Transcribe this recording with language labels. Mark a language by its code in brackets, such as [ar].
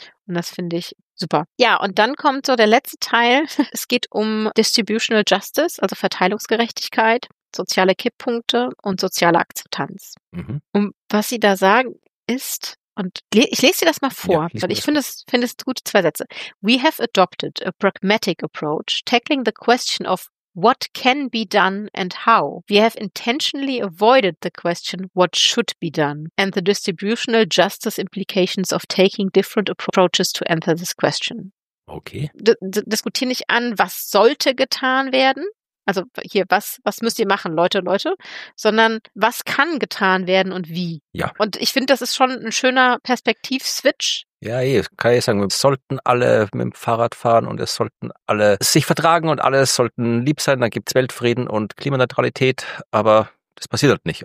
[de] Und das finde ich super. Ja, und dann kommt so der letzte Teil. Es geht um Distributional Justice, also Verteilungsgerechtigkeit, soziale Kipppunkte und soziale Akzeptanz. Mhm. Und was Sie da sagen ist, und ich lese dir das mal vor, weil ich finde es gut, zwei Sätze. [en] We have adopted a pragmatic approach tackling the question of what can be done and how. We have intentionally avoided the question what should be done and the distributional justice implications of taking different approaches to answer this question. Okay. [de] Diskutiere nicht an, was sollte getan werden. Also hier, was müsst ihr machen, Leute, sondern was kann getan werden und wie? Ja. Und ich finde, das ist schon ein schöner Perspektivswitch. Ja, kann ich sagen, wir sollten alle mit dem Fahrrad fahren und es sollten alle sich vertragen und alle sollten lieb sein, dann gibt es Weltfrieden und Klimaneutralität, aber das passiert halt nicht.